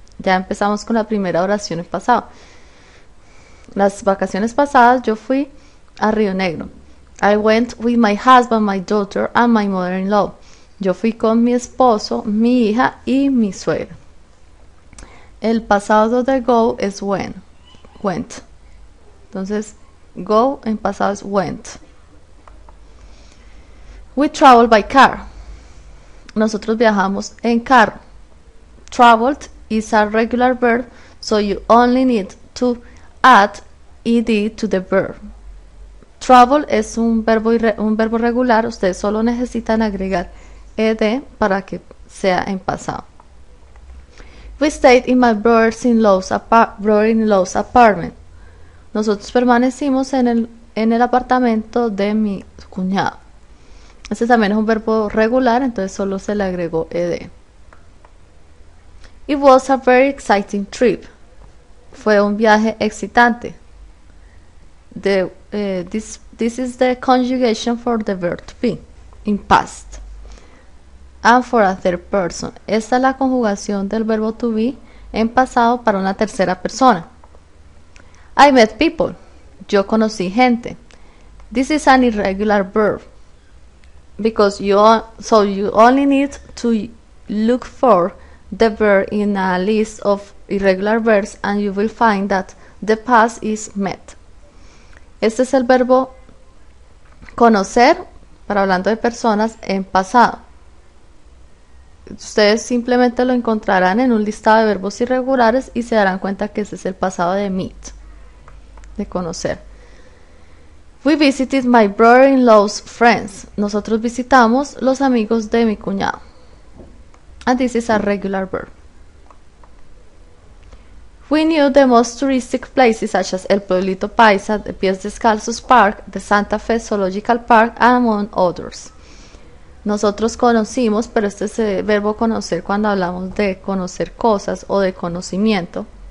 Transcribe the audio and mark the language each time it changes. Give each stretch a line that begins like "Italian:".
Spanish: Ya empezamos con la primera oración en pasado. Las vacaciones pasadas yo fui a Río Negro.
English: I went with my husband, my daughter, and my mother-in-law.
Spanish: Yo fui con mi esposo, mi hija y mi suegra. El pasado de go es when. Went. Entonces, go en pasado es went.
English: We travel by car.
Spanish: Nosotros viajamos en carro.
English: Traveled is a regular verb, so you only need to add ed to the verb.
Spanish: Travel es un verbo regular, ustedes solo necesitan agregar ed para que sea en pasado.
English: We stayed in my brother-in-law's apartment.
Spanish: Nosotros permanecimos en el apartamento de mi cuñado. Este también es un verbo regular, entonces solo se le agregó ed.
English: It was a very exciting trip.
Spanish: Fue un viaje excitante.
English: This is the conjugation for the verb to be, in past. And for a third person.
Spanish: Esta es la conjugación del verbo to be en pasado para una tercera persona.
English: I met people.
Spanish: Yo conocí gente.
English: This is an irregular verb. Because you only need to look for the verb in a list of irregular verbs and you will find that the past is met.
Spanish: Este es el verbo conocer, para hablando de personas, en pasado. Ustedes simplemente lo encontrarán en un listado de verbos irregulares y se darán cuenta que ese es el pasado de meet. De conocer.
English: We visited my brother-in-law's friends.
Spanish: Nosotros visitamos los amigos de mi cuñado.
English: And this is a regular verb. We knew the most touristic places such as El Pueblito Paisa, the Pies Descalzos Park, the Santa Fe Zoological Park, among others.
Spanish: Nosotros conocimos, pero este es el verbo conocer cuando hablamos de conocer cosas o de conocimiento.